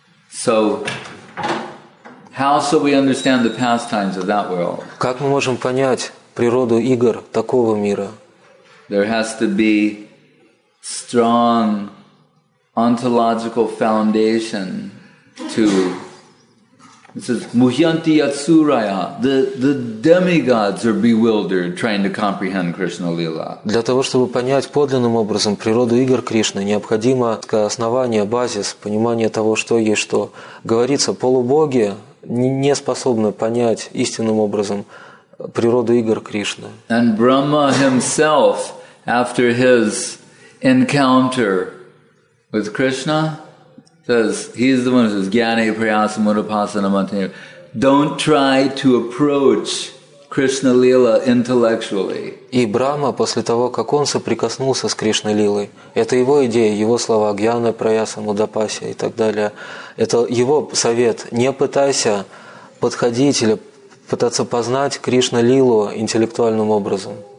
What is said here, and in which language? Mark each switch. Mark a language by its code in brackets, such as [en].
[en] So, how shall we understand the pastimes of that world? [ru] Как мы можем понять природу игр такого мира? [en] There has to be strong ontological foundation to. It says, Muhyanti Yatsuraya, the demigods are bewildered trying to comprehend Krishna Lila. [ru] Для того, чтобы понять подлинным образом природу игр Кришны, необходимо основание, базис, понимание того, что есть что. Говорится, полубоги не способны понять истинным образом природу игр Кришны. [en] And Brahma himself, after his encounter with Krishna, says he's the one who says [sa] Gyane Prayasa Mudapasana Mantane. [en] Don't try to approach Krishna Lila intellectually. [ru] И Брама, после того, как он соприкоснулся с Кришной Лилой, это его идея, его слова [sa] Гьяна Праяса Мудапаси [ru] и так далее. Это его совет. Не пытайся подходить или пытаться познать Кришна Лилу интеллектуальным образом.